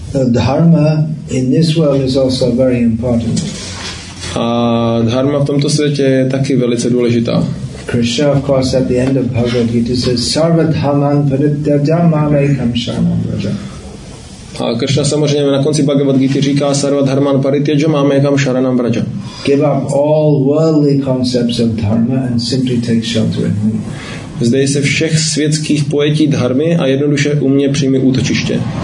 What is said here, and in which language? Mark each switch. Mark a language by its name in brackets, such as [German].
[English] Dharma in this world is also very important. [Czech] A dharma v tomto světě je taky velice důležitá. [English] Krishna, of course, at the end of Bhagavad Gita says, [Sanskrit] "Sarvadhaman paritya dhammam ekam sharanam braja." [Czech] A Krishna samozřejmě na konci Bhagavad Gita říká, [Sanskrit] "Sarvadhaman paritya dhammam ekam sharanam braja." [English] Give up all worldly concepts of dharma and simply take shelter in me. [Czech] Vzdej se všech světských pojetí dharmy a jednoduše u mě přijmi útočiště.